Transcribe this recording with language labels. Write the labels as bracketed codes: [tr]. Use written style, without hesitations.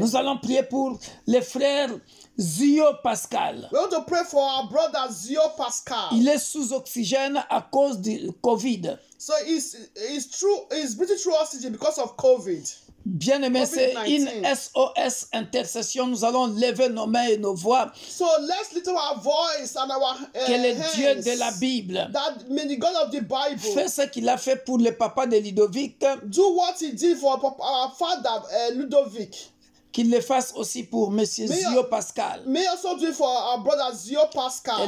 [fr] Nous allons prier pour les frères Zio Pascal. [en] We want to pray for our brother Zio Pascal. [fr] Il est sous oxygène à cause du COVID. [en] So he's breathing through oxygen because of COVID. [fr] Bien-aimé, c'est une SOS intercession. Nous allons lever nos mains et nos voix. [en] So let's lift our voice and our [fr] que le Dieu de la Bible, [en] that may the God of the Bible, [fr] fait ce qu'il a fait pour le papa de Ludovic. [en] Do what he did for our father Ludovic. [fr] Qu'il le fasse aussi pour Monsieur Zio Pascal. [en] May also do for our brother Zio Pascal.